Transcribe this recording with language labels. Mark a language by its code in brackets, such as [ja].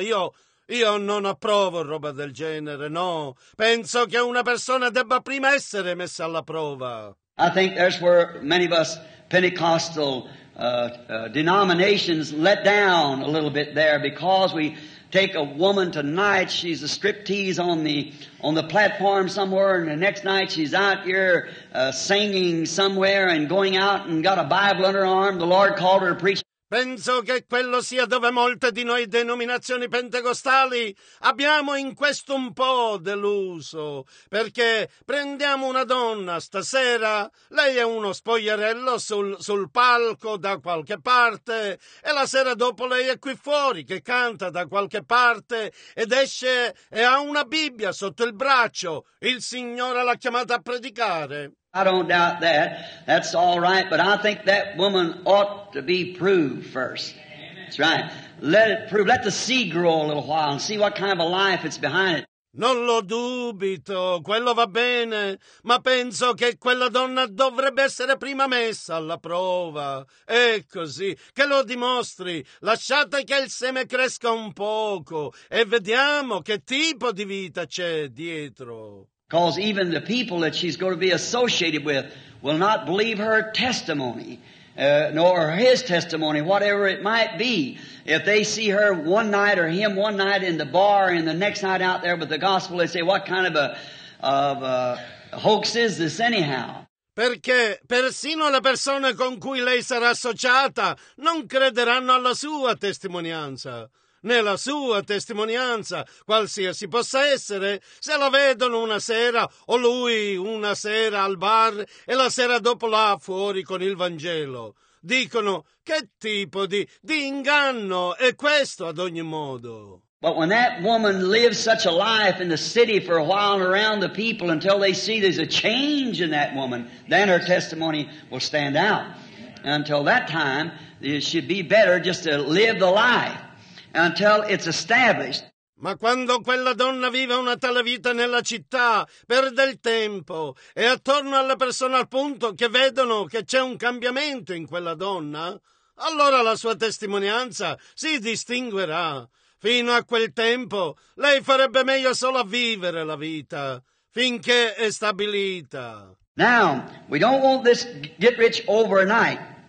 [it] Io non approvo roba del genere, no. Penso che una persona debba prima essere messa alla prova. [en] I think that's where many of us Pentecostal denominations let down a little bit there, because we take a woman tonight, she's a striptease on the platform somewhere, and the next night she's out here singing somewhere and going out and got a Bible under her arm. The Lord called her to preach. [it] Penso che quello sia dove molte di noi denominazioni pentecostali abbiamo in questo un po' deluso, perché prendiamo una donna stasera, lei è uno spogliarello sul palco da qualche parte, e la sera dopo lei è qui fuori che canta da qualche parte ed esce e ha una Bibbia sotto il braccio, il Signore l'ha chiamata a predicare. [en] I don't doubt that. That's all right. But I think that woman ought to be proved first. That's right. Let it prove. Let the seed grow a little while and see what kind of a life it's behind it. [it] Non lo dubito. Quello va bene. Ma penso che quella donna dovrebbe essere prima messa alla prova. È così. Che lo dimostri. Lasciate che il seme cresca un poco e vediamo che tipo di vita c'è dietro. [en] Because even the people that she's going to be associated with will not believe her testimony, nor his testimony, whatever it might be, if they see her one night or him one night in the bar and the next night out there with the gospel, they say, what kind of a hoax is this anyhow? [it] Perché persino le persone con cui lei sarà associata non crederanno alla sua testimonianza, né la sua testimonianza, qualsiasi possa essere, se la vedono una sera o lui una sera al bar e la sera dopo là fuori con il Vangelo. Dicono: che tipo di inganno è questo ad ogni modo? [en] But when that woman lives such a life in the city for a while and around the people until they see there's a change in that woman, then her testimony will stand out. And until that time, it should be better just to live the life until it's established. [it] Ma quando quella donna vive una tale vita nella città, perde il tempo e attorno alle persone al punto che vedono che c'è un cambiamento in quella donna, allora la sua testimonianza si distinguerà. Fino a quel tempo, lei farebbe meglio solo a vivere la vita, finché è stabilita. [en] Now, we don't want this get rich overnight.